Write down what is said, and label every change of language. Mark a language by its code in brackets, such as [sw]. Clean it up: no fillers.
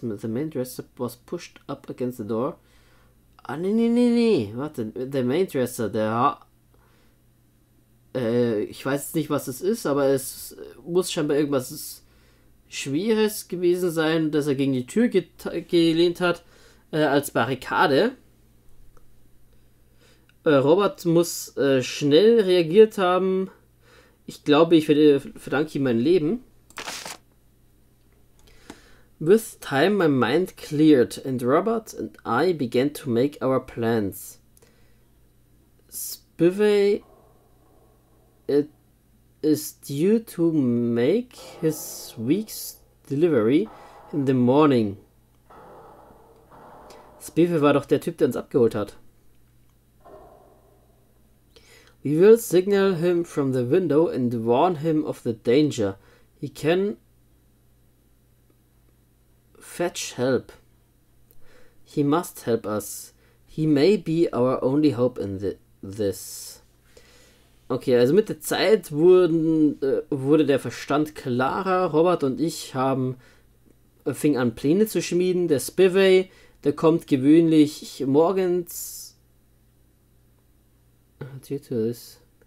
[en] The main dresser was pushed up against the door. [de] Ah, nee. Warte, der Main Dresser, der. Ich weiß jetzt nicht, was es ist, aber es muss scheinbar irgendwas Schweres gewesen sein, dass er gegen die Tür gelehnt hat, als Barrikade. Robert muss schnell reagiert haben. Ich glaube, ich verdanke ihm mein Leben. [en] With time my mind cleared and Robert and I began to make our plans. Spivey it is due to make his week's delivery in the morning. [de] Spivey war doch der Typ, der uns abgeholt hat. [en] We will signal him from the window and warn him of the danger. He can fetch help. He must help us. He may be our only hope in this. [de] Okay, also mit der Zeit wurde der Verstand klarer. Robert und ich fing an, Pläne zu schmieden. Der Spivey, der kommt gewöhnlich morgens. [en] Due to this.